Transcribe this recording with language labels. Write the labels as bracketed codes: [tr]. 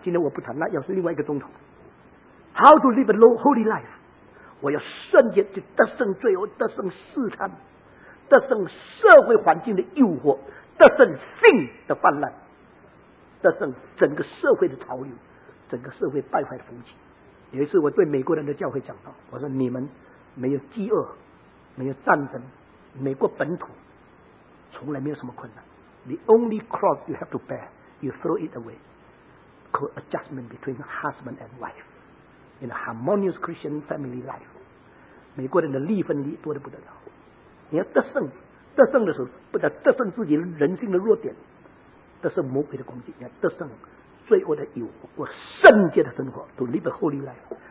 [zh] 今天我不谈，那要是另外一个钟头。 How to live a holy life，我要圣洁，就得胜罪恶，得胜试探，得胜社会环境的诱惑，得胜性的泛滥，得胜整个社会的潮流，整个社会败坏的风气。有一次我对美国人的教会讲道，我说你们没有饥饿，没有战争，美国本土从来没有什么困难。 [en] The only cross you have to bear, you throw it away, called adjustment between husband and wife. In a harmonious Christian family life，美国人的离婚率多得不得了。 [zh] 你要得胜，得胜的时候不但得胜自己人性的弱点，得胜魔鬼的攻击，你要得胜罪恶的诱惑，过圣洁的生活 ， to live a holy life。